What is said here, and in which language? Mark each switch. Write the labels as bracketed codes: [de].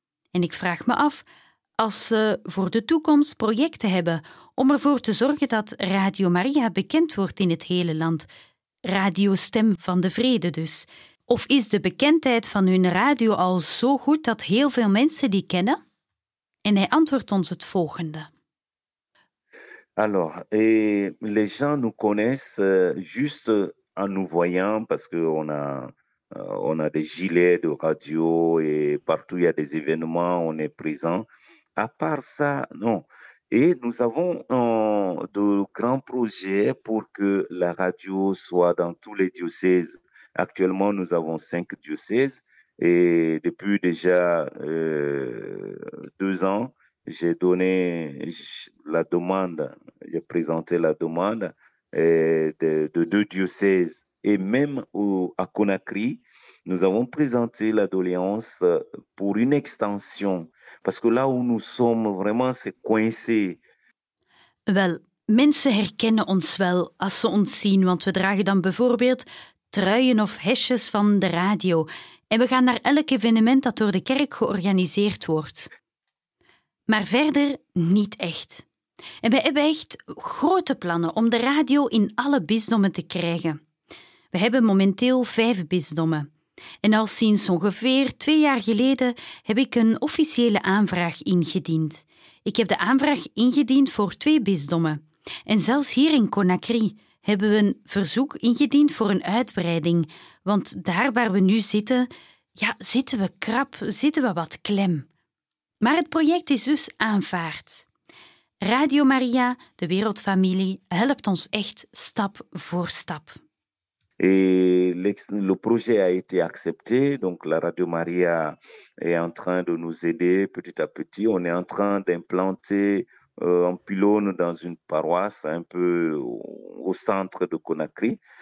[nl] En ik vraag me af, als ze voor de toekomst projecten hebben om ervoor te zorgen dat Radio Maria bekend wordt in het hele land, Radio Stem van de Vrede dus. Of is de bekendheid van hun radio al zo goed dat heel veel mensen die kennen? En hij antwoordt ons het volgende. [fr] Alors, les gens nous connaissent juste en nous voyant, parce que on a des gilets de radio et partout il y a des événements, on est présent. À part ça, non. Et nous avons de grands projets pour que la radio soit dans tous les diocèses. Actuellement, nous avons 5 diocèses. Et depuis déjà 2 ans, j'ai donné la demande, j'ai présenté la demande de 2 diocèses. Et même à Conakry, nous avons présenté la doléance pour une extension. Parce que là où nous sommes, vraiment, c'est coincé. [nl] Wel, mensen herkennen ons wel als ze ons zien, want we dragen dan bijvoorbeeld truien of hesjes van de radio. En we gaan naar elk evenement dat door de kerk georganiseerd wordt. Maar verder niet echt. En we hebben echt grote plannen om de radio in alle bisdommen te krijgen. We hebben momenteel 5 bisdommen. En al sinds ongeveer 2 jaar geleden heb ik een officiële aanvraag ingediend. Ik heb de aanvraag ingediend voor 2 bisdommen. En zelfs hier in Conakry hebben we een verzoek ingediend voor een uitbreiding. Want daar waar we nu zitten, ja, zitten we krap, zitten we wat klem. Maar het project is dus aanvaard. Radio Maria, de wereldfamilie, helpt ons echt stap voor stap. [fr] Et le projet a été accepté. Donc, la Radio Maria est en train de nous aider petit à petit. On est en train d'implanter un pylône dans une paroisse un peu au centre de Conakry.